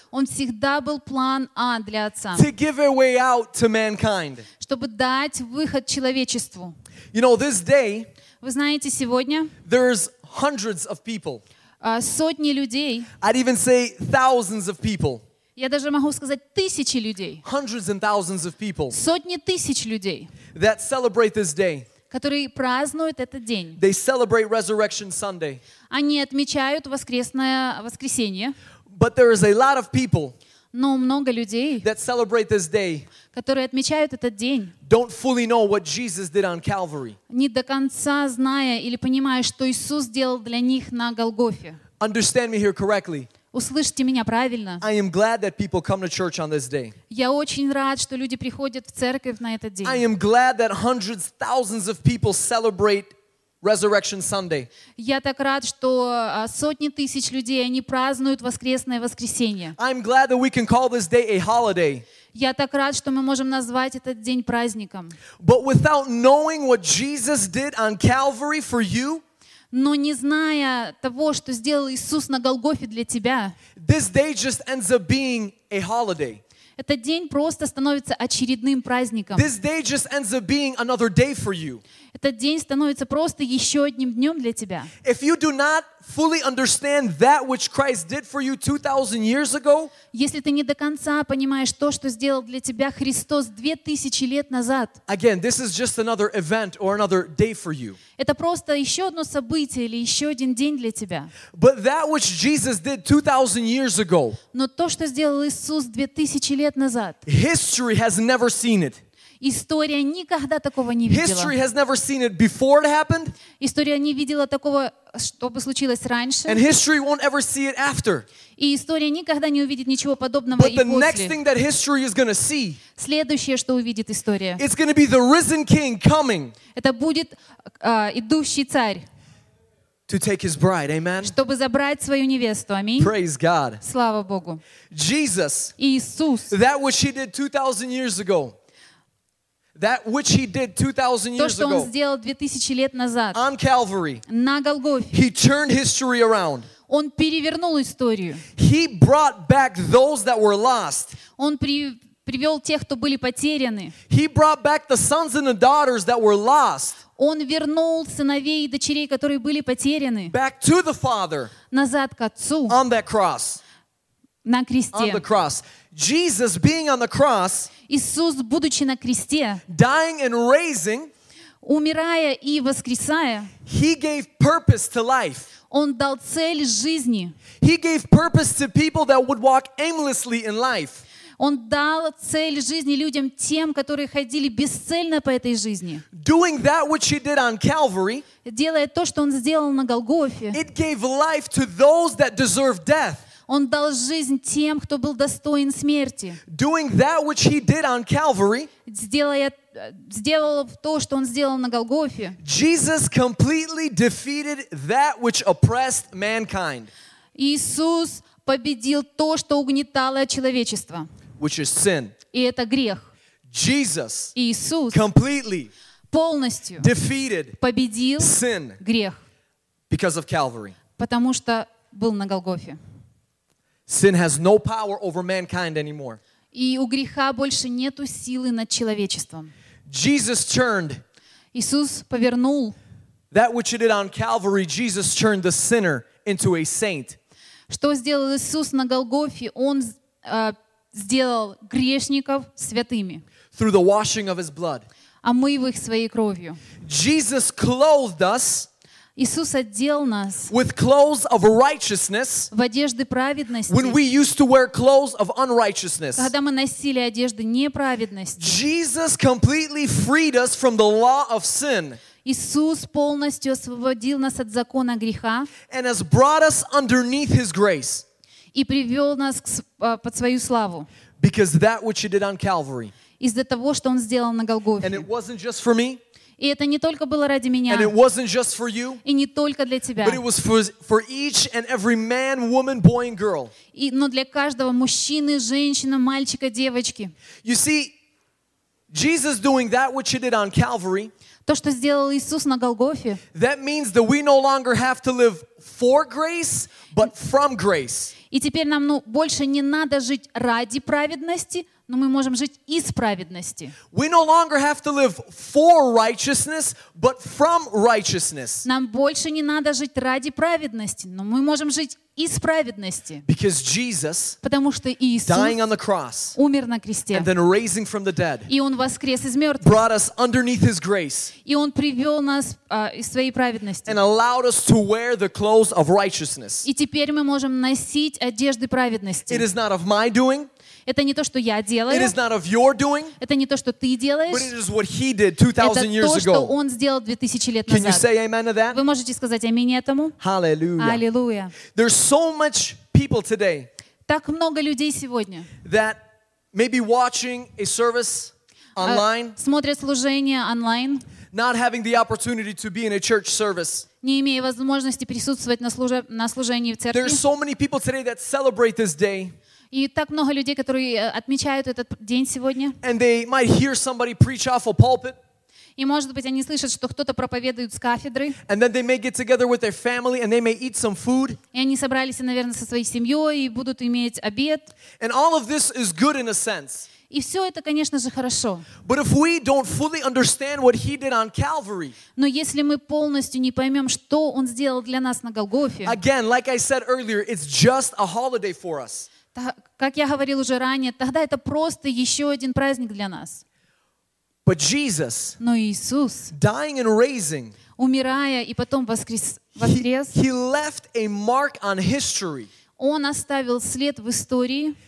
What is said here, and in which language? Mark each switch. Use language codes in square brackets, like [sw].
[ru] Он всегда был план А для Отца. [en] To give a way out to mankind. [ru] Чтобы дать выход человечеству. [en] You know, this day, [ru] вы знаете, сегодня [en] there's hundreds of people. [ru] Сотни людей. [en] I'd even say thousands of people. [ru] Я даже могу сказать тысячи людей. [en] Hundreds and thousands of people. [ru] Сотни тысяч людей. [en] That celebrate this day. [ru] Которые празднуют этот день. [en] They celebrate Resurrection Sunday. [ru] Они отмечают воскресное воскресенье. [en] But there is a lot of people. [ru] Но много людей. [en] That celebrate this day. [ru] Которые отмечают этот день. [en] Don't fully know what Jesus did on Calvary. [ru] Не до конца зная или понимая, что Иисус сделал для них на Голгофе. [en] Understand me here correctly. [ru] Услышьте меня правильно. [en] I am glad that people come to church on this day. [ru] Я очень рад, что люди приходят в церковь на этот день. [en] I am glad that hundreds, thousands of people celebrate Resurrection Sunday. [ru] Я так рад, что сотни тысяч людей они празднуют воскресное воскресенье. [en] I am glad that we can call this day a holiday. [ru] Я так рад, что мы можем назвать этот день праздником. [en] But without knowing what Jesus did on Calvary for you. [ru] Но не зная того, что сделал Иисус на Голгофе для тебя, [en] this day just ends up being a holiday. [ru] Этот день просто становится очередным праздником. [en] This day just ends up being another day for you. [ru] Этот день становится просто еще одним днем для тебя. [en] If you do not fully understand that which Christ did for you 2,000 years ago, [ru] если ты не до конца понимаешь то, что сделал для тебя Христос 2,000 лет назад, [en] again, this is just another event or another day for you. [ru] Это просто еще одно событие или еще один день для тебя. [en] But that which Jesus did 2,000 years ago, [ru] но то, что сделал Иисус 2,000 лет назад, [en] history has never seen it. [ru] История никогда такого не видела. [en] History has never seen it before it happened. [ru] История не видела такого, чтобы случилось раньше. [en] And history won't ever see it after. [ru] И история никогда не увидит ничего подобного [en] But [ru] и [en] the [ru] после. [en] Next thing that history is gonna see, [ru] следующее, что увидит история. [en] It's gonna be the risen king coming. [ru] Это будет идущий царь. [en] To take his bride, amen. [ru] Чтобы забрать свою невесту, аминь. [en] Praise God. [ru] Слава Богу. [en] Jesus. [ru] Иисус. [en] That which he did 2,000 years ago. That which he did 2,000 years ago. [ru] То, что он сделал 2,000 лет назад. [en] On Calvary. [ru] На Голгофе. [en] He turned history around. [ru] Он перевернул историю. [en] He brought back those that were lost. [ru] Он привел тех, кто были потеряны. [en] He brought back the sons and the daughters that were lost. [ru] Он вернул сыновей и дочерей, которые были потеряны. [en] Back to the Father. [ru] Назад к Отцу. [en] On that cross. [ru] На кресте. [en] On the cross. Jesus being on the cross. [ru] Иисус, будучи на кресте, [en] dying and raising, [ru] умирая и воскресая, [en] he gave purpose to life. [ru] Он дал цель жизни. [en] He gave purpose to people that would walk aimlessly in life. [ru] Он дал цель жизни людям тем, которые ходили бесцельно по этой жизни. [en] Doing that which he did on Calvary, [ru] делая то, что он сделал на Голгофе, [en] it gave life to those that deserved death. [ru] Он дал жизнь тем, кто был достоин смерти. [en] Doing that which he did on Calvary, [ru] сделал то, что он сделал на Голгофе. [en] Jesus completely defeated that which oppressed mankind. [ru] Иисус победил то, что угнетало человечество. [en] Which is sin. [ru] И это грех. [en] Jesus. [ru] Иисус. [en] Completely. [ru] Полностью. [en] Defeated. [ru] Победил. [en] Sin. [ru] Грех. [en] Because of Calvary. [ru] Потому что был на Голгофе. [en] Sin has no power over mankind anymore. [ru] И у греха больше нету силы над человечеством. [en] Jesus turned. [ru] Иисус повернул. [en] That which he did on Calvary, Jesus turned the sinner into a saint. [ru] Что сделал Иисус на Голгофе? Он сделал грешников святыми. [en] Through the washing of his blood. [ru] Омыв их своей кровью. [en] Jesus clothed us. [ru] Иисус одел нас [en] with clothes of righteousness, [ru] в одежды праведности, [en] when we used to wear clothes of unrighteousness. [ru] Когда мы носили одежды неправедности. [en] Jesus completely freed us from the law of sin. [ru] Иисус полностью освободил нас от закона греха [en] and has brought us underneath his grace. [ru] и привел нас к, под свою славу. [en] Because that which he did on Calvary. [ru] Из-за того, что он сделал на Голгофе. [en] And it wasn't just for me. [ru] И это не только было ради меня. [en] And it wasn't just for you. [ru] И не только для тебя. [en] But it was for each and every man, woman, boy and girl. [ru] И, но для каждого мужчины, женщины, мальчика, девочки. [en] You see, Jesus doing that which he did on Calvary. [ru] То, что сделал Иисус на Голгофе. [en] That means that we no longer have to live for grace, but from grace. [ru] И теперь нам, ну, больше не надо жить ради праведности, но мы можем жить из праведности. [en] We no longer have to live for righteousness, but from righteousness. [ru] Нам больше не надо жить ради праведности, но мы можем жить из праведности. [en] Because Jesus, [ru] потому что Иисус, [en] dying on the cross, [ru] умер на кресте, [en] and then raising from the dead, [ru] и Он воскрес из мертвых, [en] brought us underneath His grace, [ru] и Он привел нас из своей праведности, [en] and allowed us to wear the clothes of righteousness. [ru] И теперь мы можем носить одежды праведности. [en] It is not of my doing. [ru] Это не то, что я делаю. [en] It is not of your doing. [ru] Это не то, что ты делаешь. [en] But it is what he did 2000 years ago. [ru] Это то, что он сделал 2000 лет назад. [en] Can you say amen to that? [ru] Вы можете сказать аминь этому? [en] Hallelujah. [ru] Аллилуйя. [en] There's so much people today. [ru] Так много людей сегодня. [en] That may be watching a service online. [ru] Смотрят служение онлайн. [en] Not having the opportunity to be in a church service. [ru] Не имея возможности присутствовать на служении в церкви. [en] There's so many people today that celebrate this day. [ru] И так много людей, которые отмечают этот день сегодня. [en] And they might hear somebody preach off a pulpit. [ru] И, может быть, они слышат, что кто-то проповедует с кафедры. [en] And then they may get together with their family and they may eat some food. [ru] И они собрались, наверное, со своей семьей и будут иметь обед. [en] And all of this is good in a sense. [ru] И все это, конечно же, хорошо. [en] But if we don't fully understand what he did on Calvary, [ru] но если мы полностью не поймем, что он сделал для нас на Голгофе, [en] again, like I said earlier, it's just a holiday for us. [ru] Как я говорил уже ранее, тогда это просто еще один праздник для нас. [en] But Jesus, [ru] но Иисус, [en] dying and raising, [ru] умирая и потом воскрес, [en] he left a mark on history, [ru] Он оставил след в истории,